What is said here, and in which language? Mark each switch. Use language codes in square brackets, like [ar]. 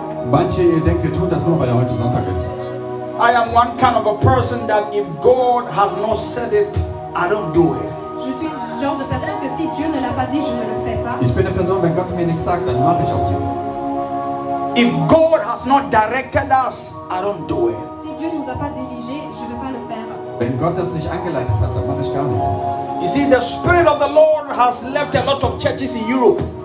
[de] Manche denken, wir tun das nur, weil heute Sonntag ist. [en] I am one kind of a person that if God has not said it, I don't do it. [fr] Je suis le genre de personne que si Dieu ne l'a pas dit, je ne le fais pas. [de] Ich bin eine Person, wenn Gott mir nichts sagt, dann mache ich auch nichts. [en] If God has not directed us, I don't do it. [fr] Si Dieu nous a pas dirigé, je veux pas le faire. [de] Wenn Gott das nicht angeleitet hat, dann mache ich gar nichts. [en] You see, the Spirit of the Lord has left a lot of churches in Europe.